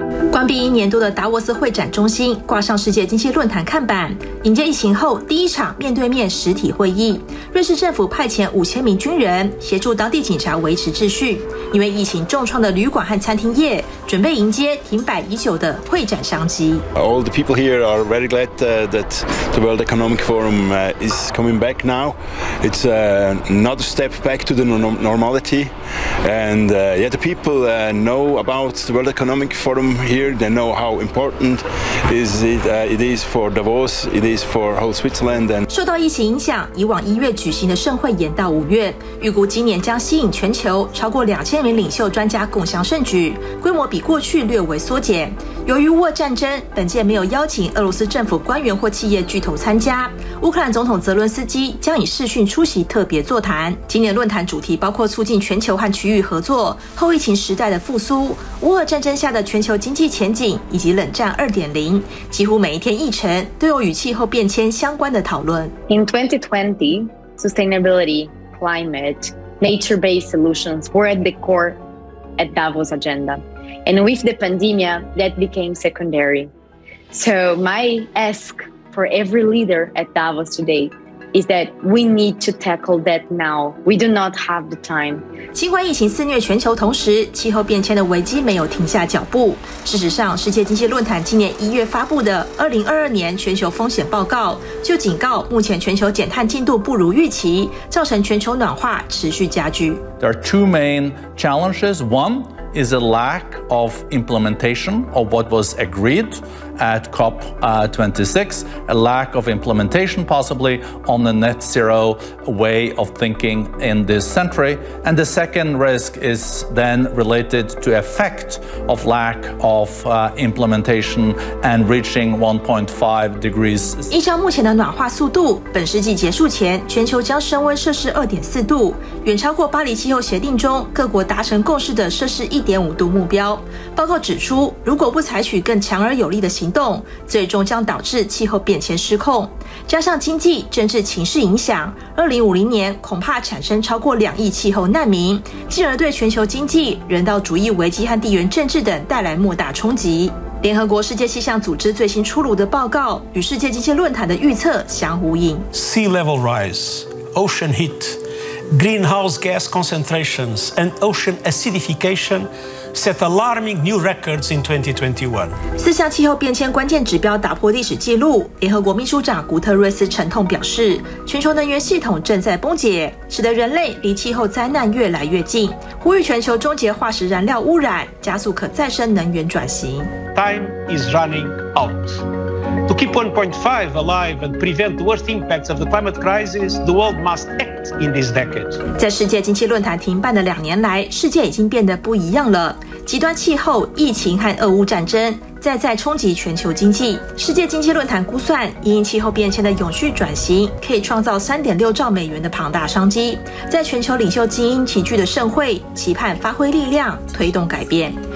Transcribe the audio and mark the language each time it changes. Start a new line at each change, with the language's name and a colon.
Chinese: 关闭一年多的达沃斯会展中心挂上世界经济论坛看板，迎接疫情后第一场面对面实体会议。瑞士政府派遣5000名军人协助当地警察维持秩序，因为疫情重创的旅馆和餐厅业准备迎接停摆已久的会展商机。
English: All the people here are very glad that the World Economic Forum is coming back now. It's another step back to the normality. And yet the people know about the World Economic Forum here. They know how important is it, it is for Davos, it is for whole Switzerland. And
Chinese: 受到疫情影响，以往1月举行的盛会延到5月，预估今年将吸引全球超过2000名领袖专家共襄盛举，规模比过去略微缩减。由于俄战争，本届没有邀请俄罗斯政府官员或企业巨头参加。乌克兰总统泽伦斯基将以视讯出席特别座谈。今年论坛主题包括促进全球和区域合作、后疫情时代的复苏、乌俄战争下的全球经济前景以及冷战 2.0。几乎每一天议程都有与气候变迁相关的讨论。
English: In 2020, sustainability, climate, nature-based solutions were at the core at Davos agenda. And with the pandemic, that became secondary. So my ask for every leader at Davos today is that we need to tackle that now. We do not have the time.
Chinese: 新冠疫情肆虐全球同时，气候变迁的危机没有停下脚步。事实上，世界经济论坛今年1月发布的2022年全球风险报告就警告，目前全球减碳进度不如预期，造成全球暖化持续加剧。
English: There are two main challenges. One,is a lack of implementation of what was agreed at COP26, a lack of implementation possibly on the net zero way of thinking in this century. And the second risk is then related to effect of lack of implementation and reaching 1.5 degrees.
Chinese: 依照目前的暖化速度，本世纪结束前全球将升温摄氏 2.4 度，远超过巴黎气候协定中各国达成共识的摄氏1.5度目标。报告指出，如果不采取更强而有力的行动，最终将导致气候变迁失控。加上经济、政治情势影响，2050年恐怕产生超过2亿气候难民，进而对全球经济、人道主义危机和地缘政治等带来莫大冲击。联合国世界气象组织最新出炉的报告与世界经济论坛的预测相呼应。
English: Sea level rise, ocean heat. Greenhouse gas concentrations and ocean acidification set alarming new records in 2021.
Chinese: 四项气候变迁关键指标打破历史记录。联合国秘书长古特瑞斯沉痛表示，全球能源系统正在崩解，使得人类离气候灾难越来越近。呼吁全球终结化石燃料污染，加速可再生能源转型。
English: Time is running out. To keep 1.5 alive and prevent the worst impacts of the climate crisis, the world must act in this decade.
Chinese: 在世界经济论坛停办的两年来，世界已经变得不一样了。极端气候、疫情和俄乌战争再再冲击全球经济。世界经济论坛估算，因气候变迁的永续转型可以创造$3.6兆的庞大商机。在全球领袖精英齐聚的盛会，期盼发挥力量，推动改变。